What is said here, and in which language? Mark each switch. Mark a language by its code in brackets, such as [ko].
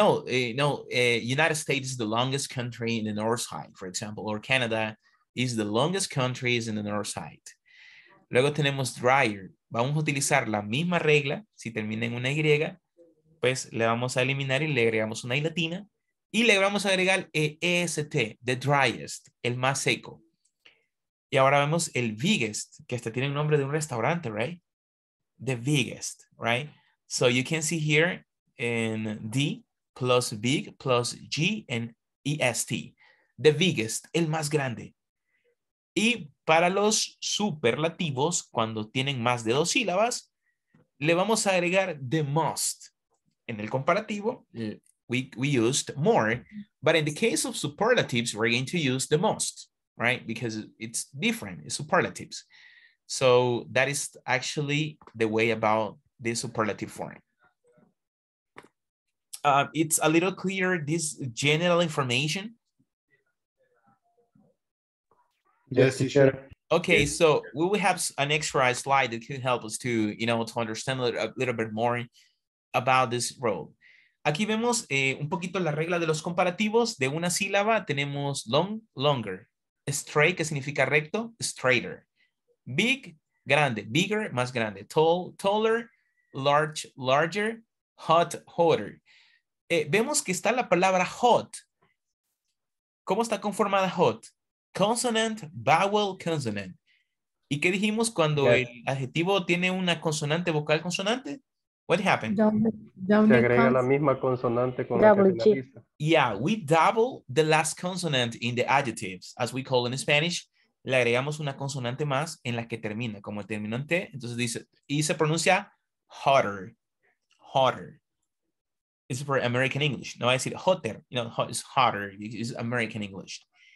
[en] United States is the longest country in the North Side, for example, or Canada is the longest country in the North Side. [es] Luego tenemos drier. Vamos a utilizar la misma regla. Si termina en una Y, pues le vamos a eliminar y le agregamos una I latina. Y le vamos a agregar EST, [en] the driest, [es] el más seco. Y ahora vemos el biggest, que este tiene el nombre de un restaurante, [en] right? [es] The biggest, right? So you can see here in D plus big plus G and EST. [en] The biggest, [es] el más grande. Y para los superlativos, cuando tienen más de dos sílabas, le vamos a agregar the most. En el comparativo, [en] We used more, but in the case of superlatives, we're going to use the most, right? Because it's different, it's superlatives. So that is actually the way about the superlative form. It's a little clear, this general information. Yes, teacher. Okay, yes. So we will have an extra slide that can help us to, you know, to understand a little bit more about this role. [es] Aquí vemos un poquito la regla de los comparativos. De una sílaba tenemos long, longer. Straight, que significa recto, straighter. [en] Big, grande. Bigger, más grande. Tall, taller. Large, larger. Hot, hotter. [es] Vemos que está la palabra [en] hot. [es] ¿Cómo está conformada hot? [en] Consonant, vowel, consonant. [es] ¿Y qué dijimos cuando el adjetivo tiene una consonante, vocal, consonante? [en] What happened? [es] Se agrega la misma consonante con la que finaliza. [en] Yeah, we double the last consonant in the adjectives, as we call in Spanish, [es] le agregamos una consonante más en la que termina, como el término en T, entonces dice, y se pronuncia hotter, hotter. [en] It's for American English. [es] No va a decir [en] hotter, no, it's hotter, it's American English.